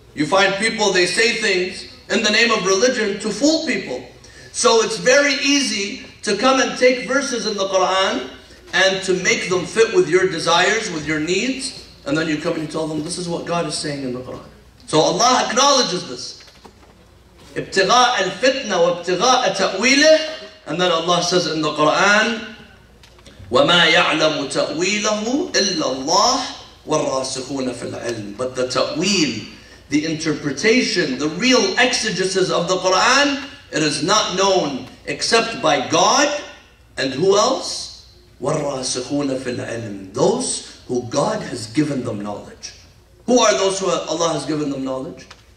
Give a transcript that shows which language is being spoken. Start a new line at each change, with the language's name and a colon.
English: You find people, they say things in the name of religion to fool people. So it's very easy to come and take verses in the Qur'an and to make them fit with your desires, with your needs. And then you come and you tell them, this is what God is saying in the Qur'an. So Allah acknowledges this.
Arabic: ابْتِغَاءَ الْفِتْنَةَ وَابْتِغَاءَ تَأْوِيلِهِ.
English: And then Allah says in the Qur'an,
Arabic: وَمَا يَعْلَمُ تَأْوِيلَهُ إِلَّا اللَّهُ وَالرَّاسِخُونَ فِي الْعِلْمِ.
English: But the ta'wil, the interpretation, the real exegesis of the Qur'an, it is not known except by God. And who else?
Arabic: وَالرَّاسِخُونَ فِي الْعِلْمِ.
English: Those who God has given them knowledge. Who are those who Allah has given them knowledge?